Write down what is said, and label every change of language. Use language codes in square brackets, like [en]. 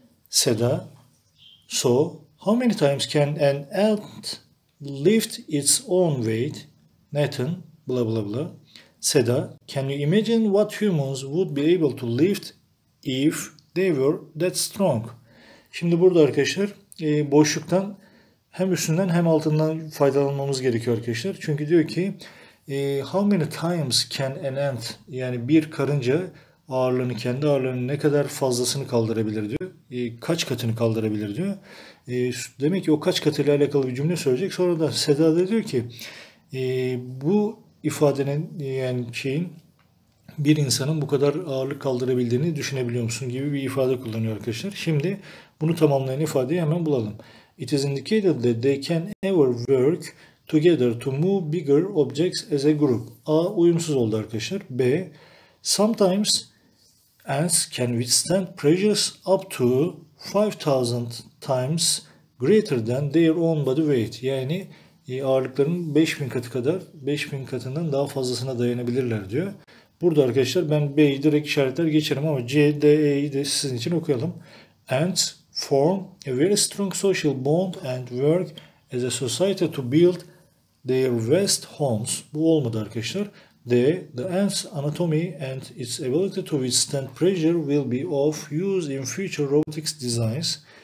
[en] Seda, so how many times can an ant lift its own weight? Nathan, blah blah blah. Seda, can you imagine what humans would be able to lift if they were that strong? [tr] Şimdi burada arkadaşlar boşluktan hem üstünden hem altından faydalanmamız gerekiyor arkadaşlar. Çünkü diyor ki [en] how many times can an ant, [tr] yani bir karınca ağırlığını, kendi ağırlığını ne kadar fazlasını kaldırabilir diyor. Kaç katını kaldırabilir diyor. Demek ki o kaç katıyla alakalı bir cümle söyleyecek. Sonra da Seda da diyor ki bu ifadenin, yani şeyin, bir insanın bu kadar ağırlık kaldırabildiğini düşünebiliyor musun gibi bir ifade kullanıyor arkadaşlar. Şimdi bunu tamamlayan ifadeyi hemen bulalım. [en] It is indicated that they can ever work together to move bigger objects as a group. [tr] A uyumsuz oldu arkadaşlar. [en] B, sometimes ants can withstand pressures up to 5000 times greater than their own body weight. [tr] Yani ağırlıkların 5000 katı kadar, 5000 katından daha fazlasına dayanabilirler diyor. Burada arkadaşlar ben B'yi direkt işaretler geçerim ama C, D, E'yi de sizin için okuyalım. [en] Ants form a very strong social bond and work as a society to build their vast homes. [tr] Bu olmadı arkadaşlar. [en] The ant's anatomy and its ability to withstand pressure will be of use in future robotics designs.